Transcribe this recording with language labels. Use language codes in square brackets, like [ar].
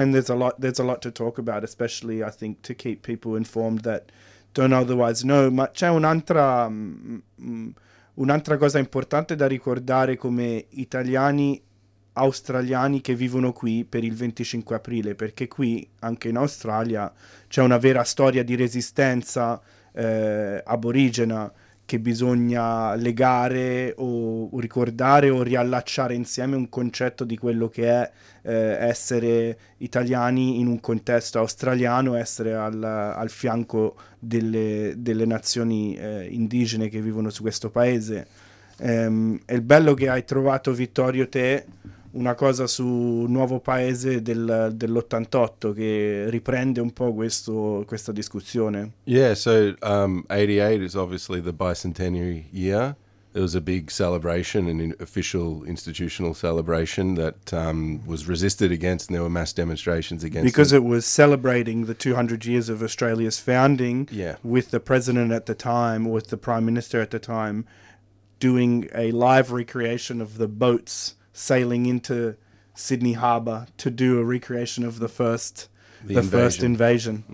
[en] And there's a lot to talk about, especially I think to keep people informed that don't otherwise know. [it] Ma c'è un'altra cosa importante da ricordare come italiani australiani che vivono qui per il 25 aprile, perché qui anche in Australia c'è una vera storia di resistenza aborigena che bisogna legare o ricordare o riallacciare insieme un concetto di quello che è essere italiani in un contesto australiano, essere al fianco delle nazioni indigene che vivono su questo paese. È il bello che hai trovato, Vittorio, te una cosa su Nuovo Paese dell'88 che riprende un po' questa discussione. [en] Yeah, so 88 is obviously the bicentenary year. There was a big celebration, an official institutional celebration that was resisted against, and there were mass demonstrations against. Because it was celebrating the 200 years of Australia's founding, yeah, with the president at the time, with the prime minister at the time, doing a live recreation of the boats sailing into Sydney Harbour to do a recreation of the first invasion.